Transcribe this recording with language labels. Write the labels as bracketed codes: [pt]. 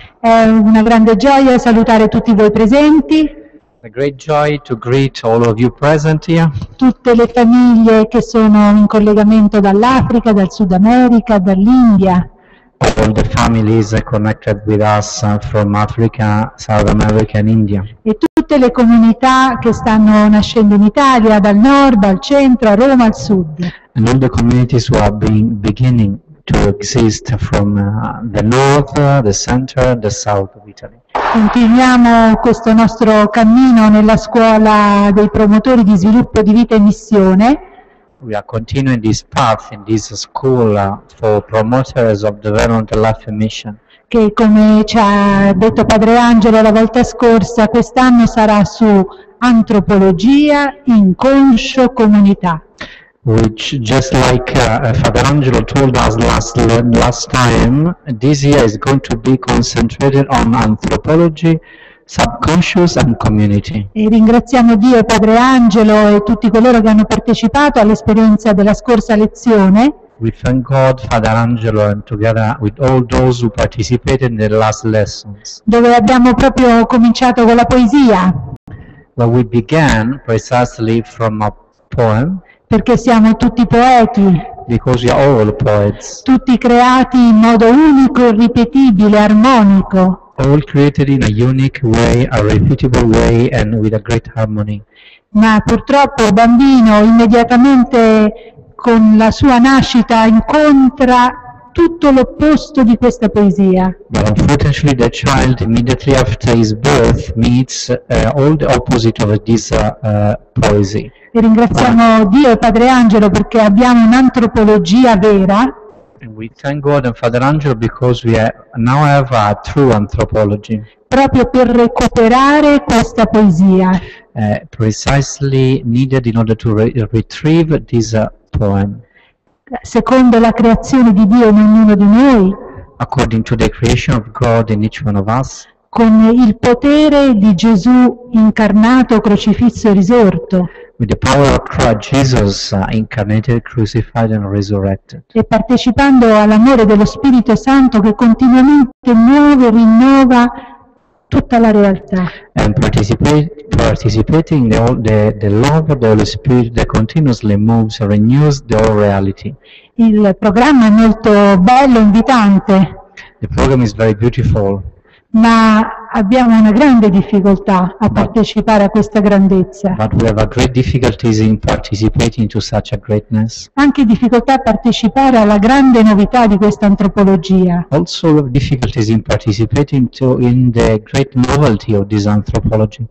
[it] È una grande gioia salutare tutti voi presenti. [en] A great joy to greet all of you present here. [it] Tutte le famiglie che sono in collegamento dall'Africa, dal Sud America, dall'India. [en] All the families connected with us from Africa, South America and India. [it] E tutte le comunità che stanno nascendo in Italia, dal nord, al centro, a Roma, al sud. [en] And all the communities who are beginning to exist from the north, the center, the south of Italy. [it] Continuiamo questo nostro cammino nella scuola dei promotori di sviluppo di vita e missione. [en] We are continuing this path in this school for promoters of developmental life and mission. [it] Che, come ci ha detto Padre Angelo la volta scorsa, quest'anno sarà su antropologia inconscio comunità. [en] Which, just like Father Angelo told us last time, this year is going to be concentrated on anthropology, subconscious and community. [it] E ringraziamo Dio, Padre Angelo e tutti coloro che hanno partecipato all'esperienza della scorsa lezione. [en] We thank God, Father Angelo, and together with all those who participated in the last lessons. [it] Dove abbiamo proprio cominciato con la poesia. [en] Well, we began precisely from a poem. [it] Perché siamo tutti poeti. [en] Because we are all poets. [it] Tutti creati in modo unico, irripetibile, armonico. [en] All created in a unique way, a repeatable way, and with a great harmony. [it] Ma purtroppo il bambino immediatamente con la sua nascita incontra tutto l'opposto di questa poesia. [en] But unfortunately, the child immediately after his birth meets all the opposite of this poesy. [it] E ringraziamo Dio e Padre Angelo perché abbiamo un'antropologia vera. [en] We thank God and Father Angelo because we now have a true anthropology. [it] Proprio per recuperare questa poesia. [en] Precisely needed in order to retrieve this poem. [it] Secondo la creazione di Dio in ognuno di noi. [en] According to the creation of God in each one of us. [it] Con il potere di Gesù incarnato, crocifisso e risorto. [en] With the power of Christ Jesus, incarnated, crucified and resurrected. [it] E partecipando all'amore dello Spirito Santo che continuamente muove e rinnova tutta la realtà. [en] And participating the love of the Holy Spirit that continuously moves and renews the whole reality. [it] Il programma è molto bello, invitante. [en] The program is very beautiful. [it] Ma abbiamo una grande difficoltà a partecipare a questa grandezza. [en] But we have a great difficulties in participating to such a greatness. [it] Anche difficoltà a partecipare alla grande novità di questa antropologia. [en] Also we have difficulties in participating to in the great novelty of this anthropology.